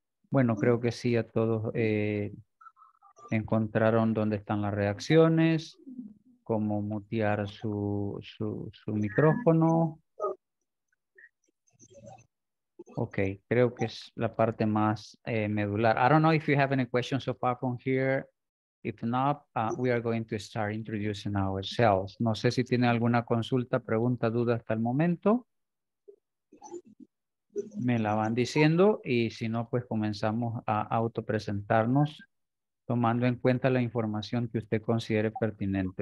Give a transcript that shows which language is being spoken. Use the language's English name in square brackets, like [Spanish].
[Spanish] Bueno, creo que sí, a todos encontraron dónde están las reacciones, cómo mutear su micrófono. Ok, creo que es la parte más medular. [English] I don't know if you have any questions so far from here. If not, we are going to start introducing ourselves. [Spanish] No sé si tiene alguna consulta, pregunta, duda hasta el momento. Me la van diciendo y si no, pues comenzamos a autopresentarnos tomando en cuenta la información que usted considere pertinente.